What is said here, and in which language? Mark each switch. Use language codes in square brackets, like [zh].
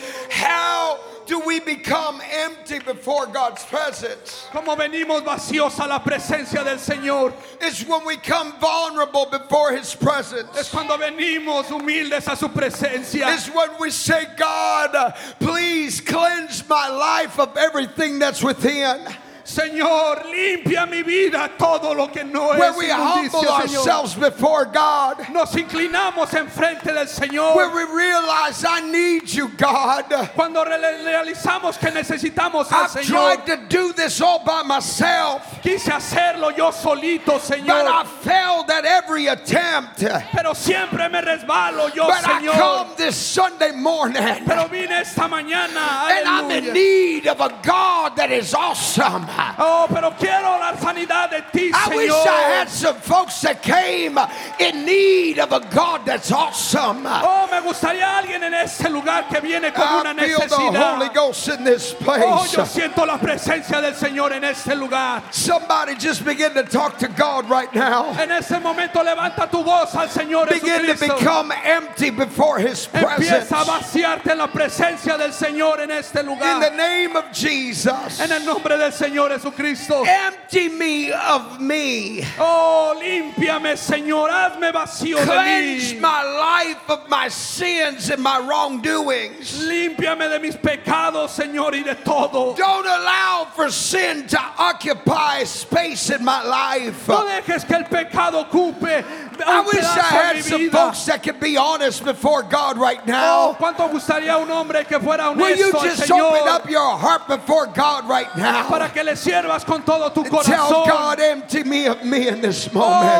[en] How do we become empty before God's presence? [es] Como venimos vacíos a la presencia del Señor. [en] It's when we come vulnerable before His presence. [es] Es cuando venimos humildes a su presencia. [en] It's when we say, God, please cleanse my life of everything that's within. [es] Señor, limpia mi vida todo lo que no es. [en] Where we humble ourselves before God. [es] Nos inclinamos en frente del Señor. [en] Where we realize I need you, God. [es] Cuando realizamos que necesitamos al Señor. [en] I've tried to do this all by myself. [es] Quise hacerlo yo solito, Señor. [en] But I failed at every attempt. [es] Pero siempre me resbalo yo, Señor. [en] But I come this Sunday morning. [es] Pero vine esta mañana, aleluya. [en] And I'm in need of a God that is awesome. [es] Oh, pero quiero la sanidad de ti, [en] I [es] Señor. [en] Wish I had some folks that came in need of a God that's awesome. [es] Oh, me gustaría alguien en este lugar que viene con [en] I [es] una necesidad. [en] I feel the Holy Ghost in this place. [es] Oh, yo siento la presencia del Señor en este lugar. [en] Somebody just begin to talk to God right now. [es] En ese momento levanta tu voz al Señor. [en] Begin to become empty before His presence. [es] Empieza a vaciarte en la presencia del Señor en este lugar. [en] In the name of Jesus. [es] En el nombre de Señor Jesucristo. [en] Empty me of me. [es] Oh, límpiame, Señor. Hazme vacío [en] Cleanse [es] de mí. [en] Cleanse my life of my sins and my wrongdoings. [es] Límpiame de mis pecados, Señor, y de todo. [en] Don't allow for sin to occupy space in my life. [es] No dejes que el pecado ocupe un [en] I wish I had some folks that could be honest before God right now. [es] Oh, ¿cuánto gustaría un hombre que fuera honesto, [en] Will you just [es] Señor? [en] Open up your heart before God right now? [es] Para que le sirvas con todo tu corazón. [en] Tell God, empty me of me in this moment.